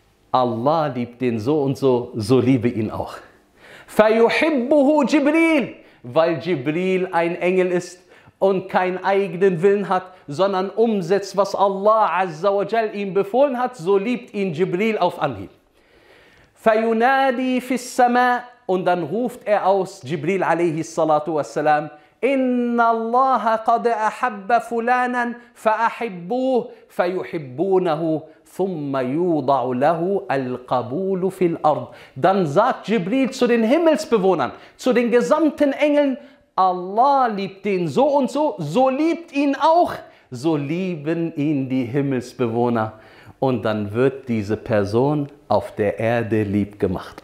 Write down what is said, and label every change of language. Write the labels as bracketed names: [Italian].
[German] Allah liebt den so und so, so liebe ihn auch. فَيُحِبُّهُ Jibril, weil Jibril ein Engel ist und keinen eigenen Willen hat, sondern umsetzt, was Allah Azza wa Jal ihm befohlen hat, so liebt ihn Jibril auf Anhieb. [Arabic] فَيُنَادِي فِي السَّمَاءِ, und dann ruft er aus, Jibril alayhi salatu wassalam, إِنَّ اللَّهَ قَدْ أَحَبَّ فُلَانًا فَأَحِبُّهُ فَيُحِبُّونَهُ ثُمَّ يُوضَعُ لَهُ الْقَبُولُ فِي الْأَرْضِ. [German] Dann sagt Jibril zu den Himmelsbewohnern, zu den gesamten Engeln, Allah liebt den so und so, so liebt ihn auch, so lieben ihn die Himmelsbewohner. Und dann wird diese Person auf der Erde lieb gemacht.